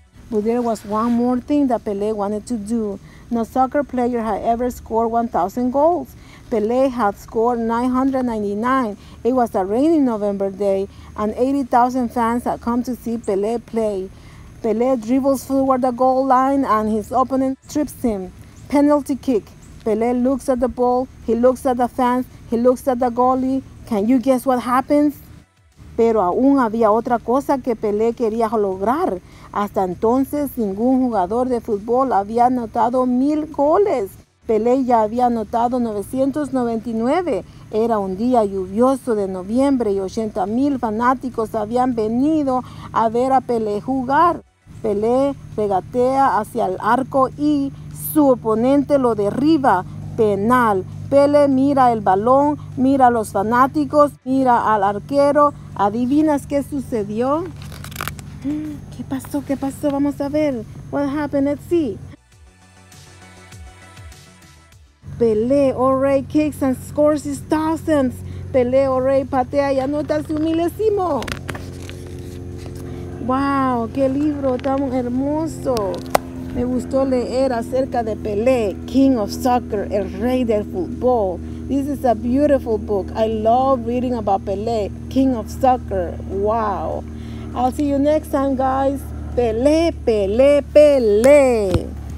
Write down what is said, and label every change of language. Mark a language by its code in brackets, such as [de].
[en] But there was one more thing that Pelé wanted to do. No soccer player had ever scored 1,000 goals. Pelé had scored 999. It was a rainy November day and 80,000 fans had come to see Pelé play. Pelé dribbles toward the goal line and his opponent trips him. Penalty kick. Pelé looks at the ball, he looks at the fans, he looks at the goalie. Can you guess what happens? [es] Pero aún había otra cosa que Pelé quería lograr. Hasta entonces, ningún jugador de fútbol había anotado 1,000 goles. Pelé ya había anotado 999. Era un día lluvioso de noviembre y 80,000 fanáticos habían venido a ver a Pelé jugar. Pelé regatea hacia el arco y su oponente lo derriba. Penal. Pelé mira el balón, mira a los fanáticos, mira al arquero. ¿Adivinas qué sucedió? ¿Qué pasó? ¿Qué pasó? Vamos a ver. [en] What happened? Let's see. Pelé already kicks and scores his thousands. Pelé already [es] patea y anota su milésimo. Wow, qué libro tan hermoso. Me gustó leer acerca de Pelé, King of Soccer, el rey del fútbol. [en] This is a beautiful book. I love reading about Pelé, King of Soccer. Wow. I'll see you next time, guys. Pelé, Pelé, Pelé.